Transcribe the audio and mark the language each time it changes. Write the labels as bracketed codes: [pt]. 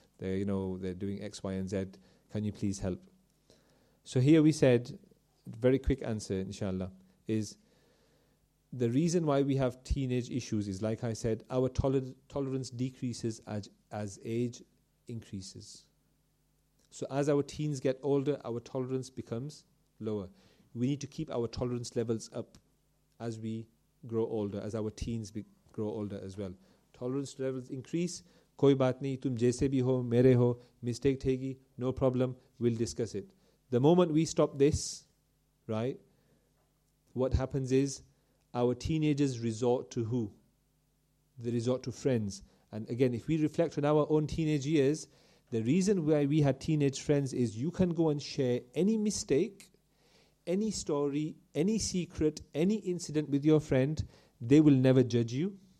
[en] They're doing X, Y, and Z. Can you please help? So here we said, very quick answer, inshallah, is the reason why we have teenage issues is, like I said, our tolerance decreases as age increases. So as our teens get older, our tolerance becomes lower. We need to keep our tolerance levels up as we grow older, as our teens grow older as well. Tolerance levels increase, [ur] کوئی بات نہیں، تم جیسے بھی ہو، میرے ہو، mistake تھے گی، [en] no problem, we'll discuss it. The moment we stop this, right, what happens is, our teenagers resort to who? They resort to friends. And again, if we reflect on our own teenage years, the reason why we had teenage friends is you can go and share any mistake, any story, any secret, any incident with your friend. They will never judge you.